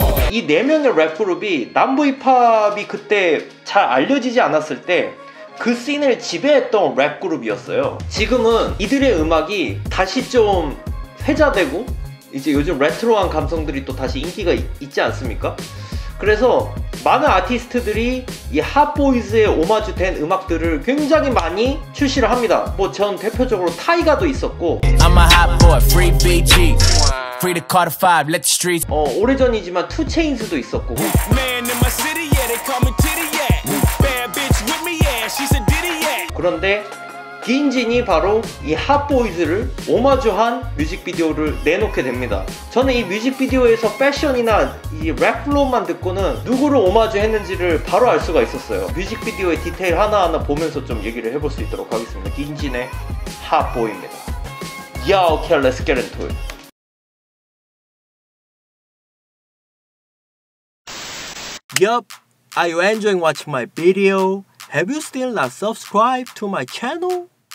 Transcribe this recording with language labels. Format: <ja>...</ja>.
<ko>이 4명의 랩그룹이 남부 힙합이 그때 잘 알려지지 않았을 때 그 씬을 지배했던 랩그룹이었어요. 지금은 이들의 음악이 다시 좀 회자되고 이제 요즘 레트로한 감성들이 또 다시 인기가 있지 않습니까? 그래서 많은 아티스트들이 이 핫보이즈에 오마주된 음악들을 굉장히 많이 출시를 합니다. 뭐 전 대표적으로 타이가도 있었고,</ko> <en>I'm a hot boy, free BG. Free to call the five, let the streets.</en> <ko>오래전이지만 2 Chainz도 있었고.</ko> <en>Man in my city, yeah, they call me titty, yeah. Bad bitch with me, yeah, she's a ditty, yeah.</en> <ko>그런데 기인진이 바로 이 핫보이즈를 오마주한 뮤직비디오를 내놓게 됩니다. 저는 이 뮤직비디오에서 패션이나 이 랩플로우만 듣고는 누구를 오마주했는지를 바로 알 수가 있었어요. 뮤직비디오의 디테일 하나하나 보면서 좀 얘기를 해볼 수 있도록 하겠습니다. 기인진의 핫보이입니다.</ko> <en>Yeah, okay, let's get into it. 옆, yep. Are you enjoying watching my video? Have you still not subscribed to my channel?</en>